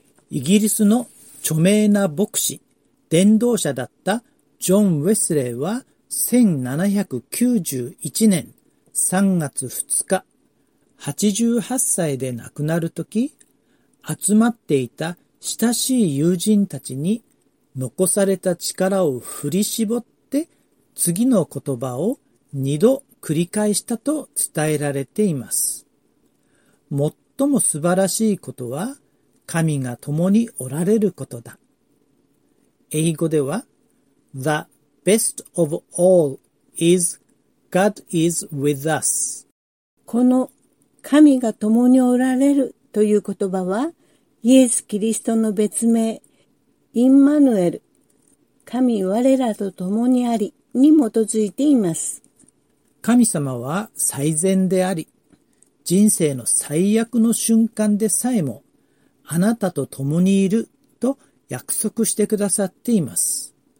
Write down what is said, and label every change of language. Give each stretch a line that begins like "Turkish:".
Japanese: イギリスの著名な牧師、伝道者だったジョン・ウェスレーは1791年3月2日、88歳で亡くなるとき、集まっていた親しい友人たちに残された力を振り絞って次の言葉を2度繰り返したと伝えられています。最も素晴らしいことは神が共におられることだ。英語では、
English: The best of all is God is with us.
Japanese: この神が共におられるという言葉は、イエス・キリストの別名、インマヌエル、神我らと共にありに基づいています。神様は最善であり、人生の最悪の瞬間でさえも、あなたと共にいると約束してくださっています。